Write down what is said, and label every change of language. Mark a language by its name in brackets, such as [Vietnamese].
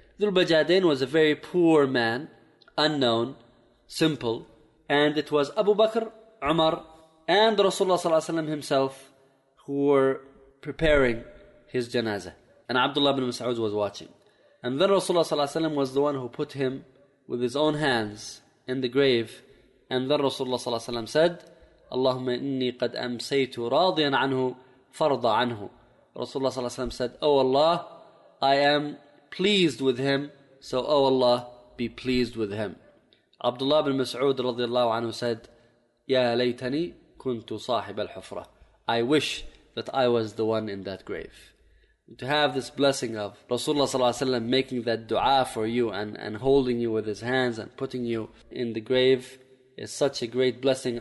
[English] Dhul Bajadain was a very poor man, unknown, simple, and it was Abu Bakr, Umar, and Rasulullah صلى الله عليه وسلم himself who were preparing his janazah. And Abdullah ibn Mas'ud was watching. And then Rasulullah صلى الله عليه وسلم was the one who put him with his own hands in the grave. And then Rasulullah صلى الله عليه وسلم said, [Arabic] اللهم إني قد أمسيت راضيا عنه فرضا عنه. [English] Rasulullah صلى الله عليه وسلم said, Oh Allah, I am pleased with him, so oh Allah, be pleased with him. Abdullah ibn Mas'ud radiallahu anhu said, [Arabic] Ya laytani kuntu sahib al-hufra. [English] I wish that I was the one in that grave. To have this blessing of Rasulullah sallallahu alayhi wa sallam making that dua for you and holding you with his hands and putting you in the grave is such a great blessing.